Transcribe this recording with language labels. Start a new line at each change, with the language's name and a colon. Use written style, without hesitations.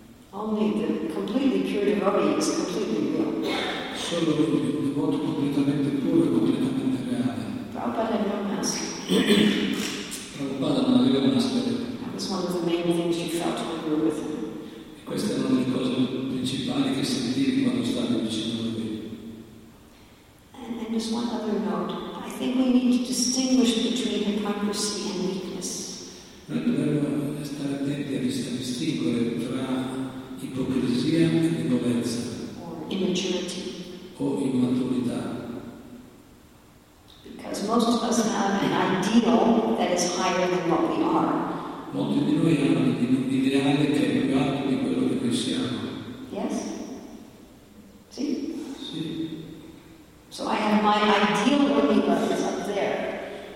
English: Only the completely pure devotee is completely real.
Italian: solo lui, un devoto completamente puro e completamente reale.
English: Prabhupada had no mask.
Italian: Prabhupada non aveva una maschera.
English: That was one of the main things you felt when you were with him.
Italian: E questa è una delle cose principali che sentivi quando stavi vicino a lui.
English: And just one other note. I think we need to distinguish between hypocrisy and weakness.
Italian: Noi dobbiamo stare attenti a distinguere tra ipocrisia e debolezza.
English: Immaturity.
Italian: O immaturità.
English: Because most of us have an ideal that is higher than what we are.
Italian: Molti di noi hanno un ideale che è più alto di quello che noi siamo.
English: Yes?
Italian: Sì? Sì.
English: So I have my ideal worthy is up there.